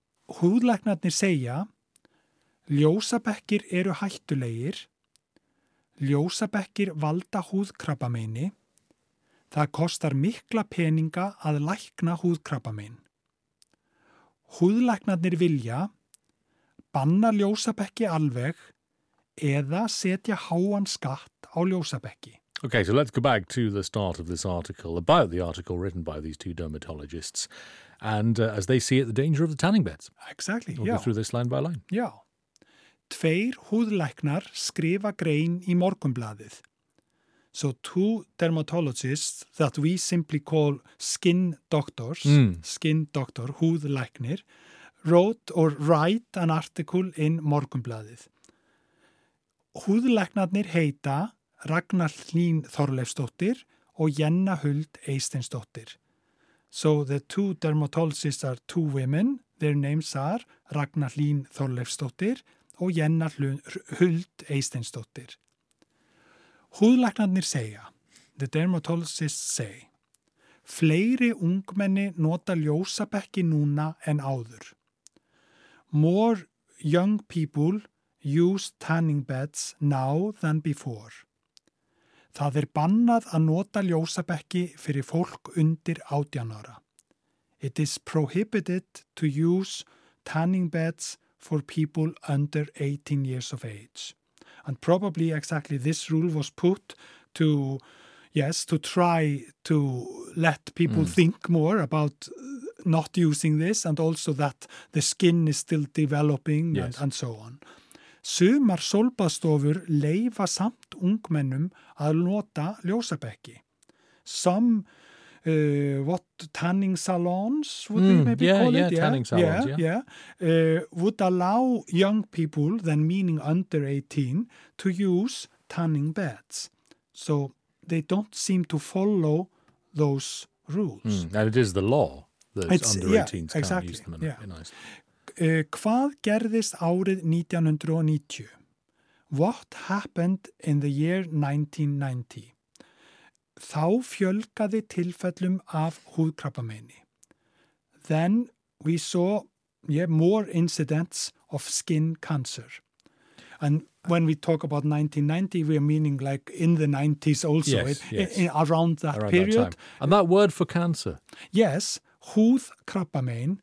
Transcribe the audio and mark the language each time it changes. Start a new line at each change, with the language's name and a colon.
Icelandic: Húðlæknarnir segja, ljósabekkir hættulegir, ljósabekkir valda húðkrabbameini, það kostar mikla peninga að lækna húðkrabbamein. Húðlæknarnir vilja banna ljósabekki alveg eða setja háan skatt á ljósabekki.
English: Okay, so let's go back to the start of this article, about the article written by these two dermatologists, and as they see it, the danger of the tanning beds. Exactly, we'll go through this line by line. Yeah.
Icelandic: Tveir húðlæknar skrifa grein í Morgunblaðið.
English: So two dermatologists that we simply call skin doctors, skin doctor, húðlæknir, write an article in Morgunblaðið.
Icelandic: Húðlæknarnir heita Ragnar Hlín Þorleifsdóttir og Jenna Huld Eysteinsdóttir.
English: So the two dermatologists are two women. Their names are Ragnar Hlín Þorleifsdóttir og Jenna Huld Eysteinsdóttir.
Icelandic: Húðlæknarnir segja,
English: the dermatologists say,
Icelandic: fleiri ungmenni nota ljósabekki núna en áður.
English: More young people use tanning beds now than before.
Icelandic: Það bannað að nota ljósabekki fyrir fólk undir 18 ára.
English: It is prohibited to use tanning beds for people under 18 years of age. And probably exactly this rule was put to try to let people think more about not using this and also that the skin is still developing and so on.
Icelandic: Sumar sólbaðstofur leyfa samt ungmennum að nota ljósabekki.
English: Some tanning salons would they maybe call it? Tanning salons would allow young people, then meaning under 18, to use tanning beds. So they don't seem to follow those rules. Mm. And it is the law that it's, under 18s can't exactly, use them in Iceland.
Icelandic: Hvað gerðist árið 1990?
English: What happened in the year 1990?
Icelandic: Þá fjölgaði tilfellum af húðkrabbameini.
English: Then we saw more incidents of skin cancer. And when we talk about 1990, we are meaning like in the 90s also, around that period. And that word for cancer? Yes, húðkrabbamein.